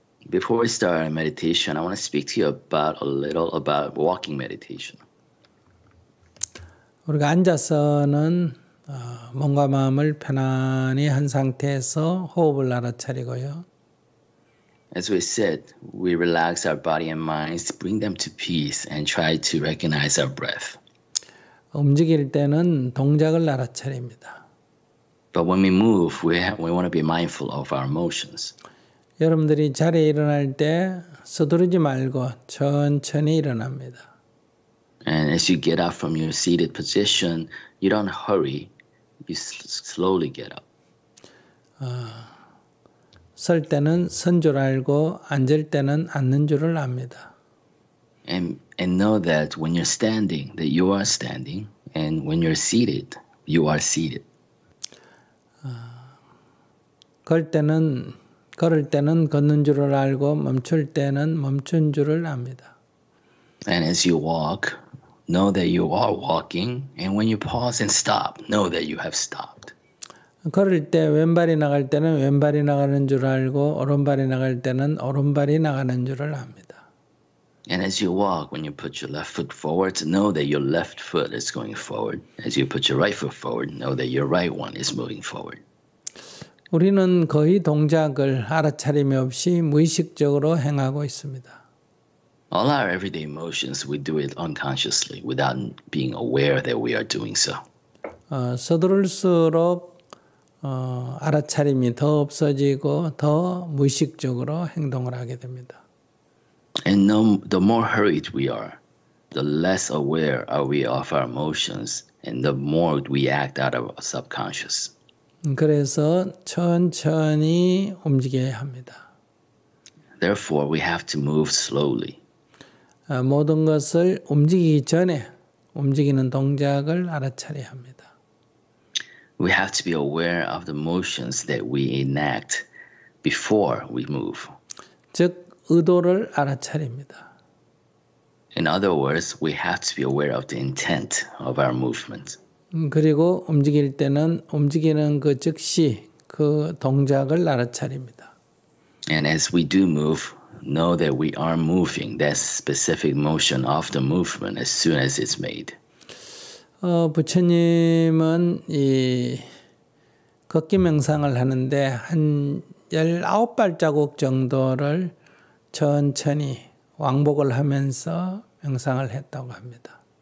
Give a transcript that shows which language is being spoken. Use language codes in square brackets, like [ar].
[en] Before we start meditation, I want to speak to you about a little about walking meditation. [ko] 우리가 앉아서는 몸과 마음을 편안히 한 상태에서 호흡을 알아차리고요. [en] As we sit, we relax our body and minds, bring them to peace, and try to recognize our breath. [ko] 움직일 때는 동작을 알아차립니다. [en] But when we move, we want to be mindful of our motions. [ko] 여러분들이 자리에 일어날 때 서두르지 말고 천천히 일어납니다. [en] And as you get up from your seated position, you don't hurry, you slowly get up. [ko] 설 때는 선 줄 알고 앉을 때는 앉는 줄을 압니다. [en] And know that when you're standing, that you are standing, and when you're seated, you are seated. [ko] 걸을 때는 걷는 줄을 알고 멈출 때는 멈춘 줄을 압니다. [en] And as you walk, know that you are walking, and when you pause and stop, know that you have stopped. [ko] 걸을 때 왼발이 나갈 때는 왼발이 나가는 줄 알고 오른발이 나갈 때는 오른발이 나가는 줄을 압니다. [en] And as you walk, when you put your left foot forward, know that your left foot is going forward. As you put your right foot forward, know that your right one is moving forward. [ko] 우리는 거의 동작을 알아차림이 없이 무의식적으로 행하고 있습니다. [en] All our everyday motions, we do it unconsciously, without being aware that we are doing so. [ko] 서두를수록 알아차림이 더 없어지고 더 무의식적으로 행동을 하게 됩니다. [en] And the more hurried we are, the less aware are we of our emotions, and the more we act out of our subconscious. [ko] 그래서 천천히 움직여야 합니다. [en] Therefore, we have to move slowly. [ko] 모든 것을 움직이기 전에 움직이는 동작을 알아차려야 합니다. [en] We have to be aware of the motions that we enact before we move. [ko] 즉, 의도를 알아차립니다. [en] In other words, we have to be aware of the intent of our movement. [ko] 그리고 움직일 때는 움직이는 그 즉시 그 동작을 알아차립니다. [en] And as we do move, know that we are moving that specific motion of the movement as soon as it's made. [ko] 부처님은 이 걷기 명상을 하는데 한 19발자국 정도를 천천히 왕복을 하면서 명상을 했다고 합니다.